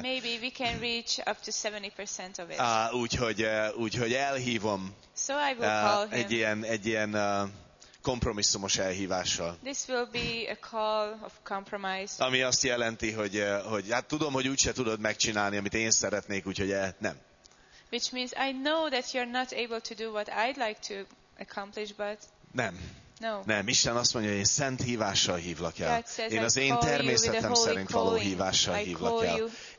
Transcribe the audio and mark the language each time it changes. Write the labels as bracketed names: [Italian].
[English] Maybe we can reach up to 70% of it. [Hungarian] Úgyhogy elhívom. [English] So I will call him. [Hungarian] Egy ilyen kompromisszumos elhívással. [English] This will be a call of compromise. [Hungarian] Ami azt jelenti, hogy hát tudom, hogy úgyse tudod megcsinálni, amit én szeretnék, úgyhogy nem. [English] Which means I know that you're not able to do what I'd like to accomplish, but [Hungarian] nem. [English] No. [Hungarian] Nem, Isten azt mondja, hogy én szent hívással hívlak el. [English] God says, [Hungarian] én az én természetem szerint való hívással hívlak el.